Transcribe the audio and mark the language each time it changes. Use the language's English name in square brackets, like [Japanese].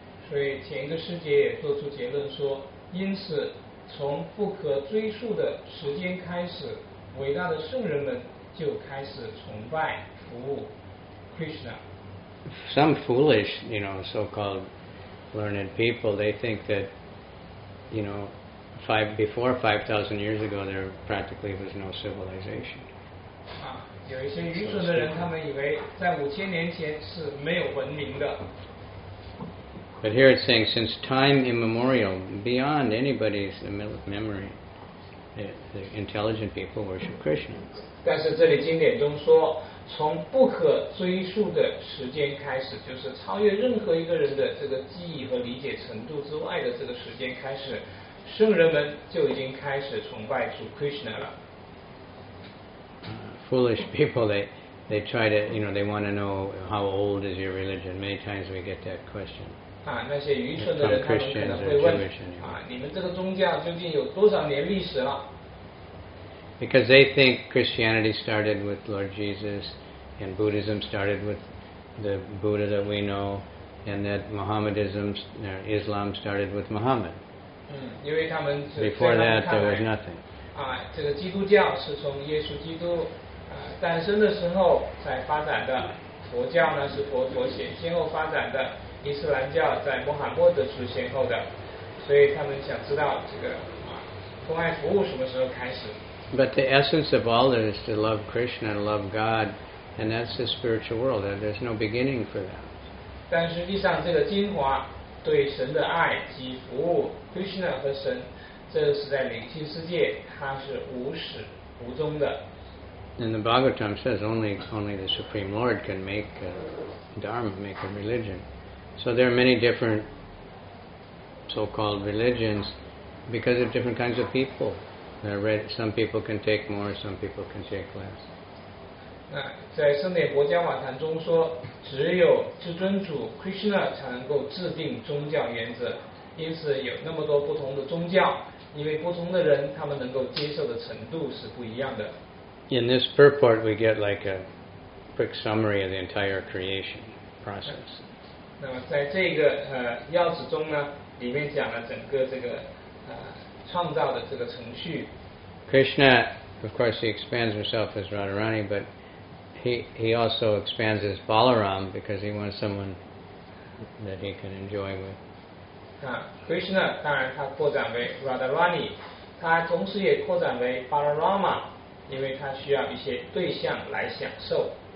[Chinese] 所以前一个师姐也做出结论说，因此从不可追溯的时间开始，伟大的圣人们就开始崇拜服务 Krishna。 [English] Some foolish, you know, so-called learned people, they think that, you know, before 5,000 years ago, there practically was no civilization. [Chinese] 啊，有一些愚蠢的人，他们以为在五千年前是没有文明的。 [English] But here it's saying, since time immemorial, beyond anybody's memory, the intelligent people worship Krishna. [Chinese] 但是这里经典中说，从不可追溯的时间开始，就是超越任何一个人的这个记忆和理解程度之外的这个时间开始，圣人们就已经开始崇拜主 Krishna 了。 [English] Foolish people, they try to, you know, they want to know how old is your religion. Many times we get that question. [Chinese] 啊，那些愚蠢的人，他们可能会问啊，你们这个宗教究竟有多少年历史了 [English] ？Because they think Christianity started with Lord Jesus, and Buddhism started with the Buddha that we know, and that Mohammedism, Islam started with Muhammad. [Chinese] 嗯，因为他们 [English] before that there was nothing. [Chinese] 啊，这个基督教是从耶稣基督诞生的时候才发展的，佛教呢是佛显现后发展的。伊斯兰教在穆罕默德出现后的，所以他们想知道这个公爱服务什么时候开始。 [English] But the essence of all that is to love Krishna and love God, and that's the spiritual world. And there's no beginning for that. [Chinese] 但实际上，这个精华对神的爱及服务 Krishna 和神，这是在灵性世界，它是无始无终的。 [English] And the Bhagavatam says only the Supreme Lord can make a dharma, make a religion. So there are many different so-called religions because of different kinds of people. Some people can take more, some people can take less. [Chinese] 那在圣典国家瓦坛中说，只有至尊主 Krishna 才能够制定宗教原则。因此有那么多不同的宗教，因为不同的人他们能够接受的程度是不一样的。 [English] In this purport, we get like a quick summary of the entire creation process. [Chinese] 那么在这个要旨中呢，里面讲了整个这个创造的这个程序。 [English] Krishna, of course, he expands himself as Radharani, but he also expands as Balaram because he wants someone that he can enjoy with. [Chinese] 啊 ，Krishna 当然他扩展为 Radharani， 他同时也扩展为 Balarama， 因为他需要一些对象来享受。